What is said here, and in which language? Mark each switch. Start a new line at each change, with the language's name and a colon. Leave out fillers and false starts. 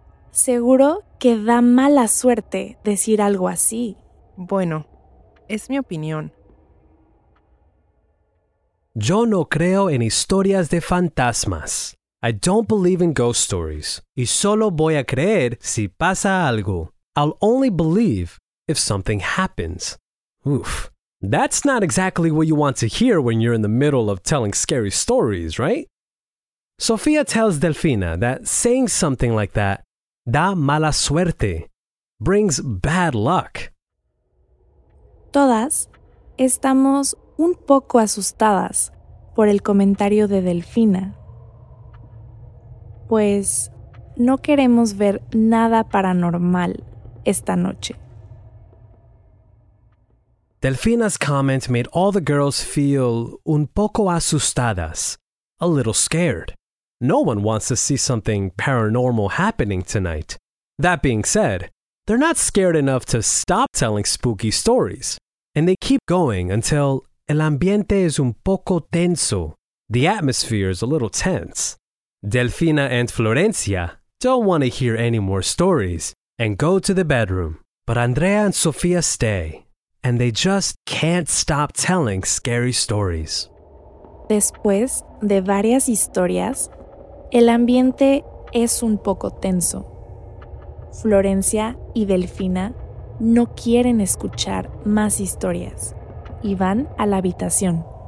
Spanish: Seguro que da mala suerte decir algo así. Bueno, es mi opinión. Yo no creo en historias de fantasmas.
English: I don't believe in ghost stories.
Spanish: Y solo voy a creer si pasa algo.
English: I'll only believe if something happens. Oof. That's not exactly what you want to hear when you're in the middle of telling scary stories, right? Sofía tells Delfina that saying something like that,
Spanish: da mala suerte,
English: brings bad luck.
Spanish: Todas estamos un poco asustadas por el comentario de Delfina. Pues no queremos ver nada paranormal esta noche.
English: Delfina's comment made all the girls feel
Spanish: un poco asustadas,
English: a little scared. No one wants to see something paranormal happening tonight. That being said, they're not scared enough to stop telling spooky stories, and they keep going until
Spanish: el ambiente es un poco tenso.
English: The atmosphere is a little tense. Delfina and Florencia don't want to hear any more stories and go to the bedroom. But Andrea and Sofía stay, and they just can't stop telling scary stories.
Spanish: Después de varias historias, el ambiente es un poco tenso. Florencia y Delfina no quieren escuchar más historias y van a la habitación.